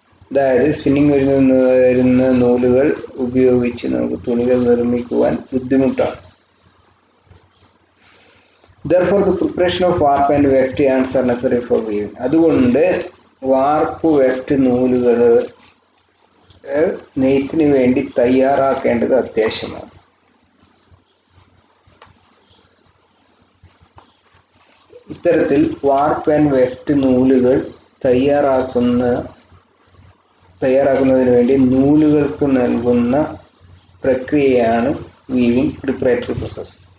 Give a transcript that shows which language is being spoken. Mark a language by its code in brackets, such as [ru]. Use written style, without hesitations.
[ml] അതായത് സ്പിന്നിങ് വരുന്ന നൂലുകൾ ഉപയോഗിച്ച് നമുക്ക് തുണികൾ നിർമ്മിക്കുവാൻ ബുദ്ധിമുട്ടാണ്. [en] Therefore, the preparation of warp and weft yarns are necessary for weaving. [ml] അതുകൊണ്ട് വാർപ്പ് വെഫ്റ്റ് നൂലുകൾ നെയ്ത്തിന് വേണ്ടി തയ്യാറാക്കേണ്ടത് അത്യാവശ്യമാണ്. ഇത്തരത്തിൽ വാർപ്പ് ആൻഡ് വെഫ്റ്റ് നൂലുകൾ തയ്യാറാക്കുന്നതിന് വേണ്ടി നൂലുകൾക്ക് നൽകുന്ന പ്രക്രിയയാണ് വീവിംഗ് പ്രിപ്പറേറ്ററി പ്രോസസ്.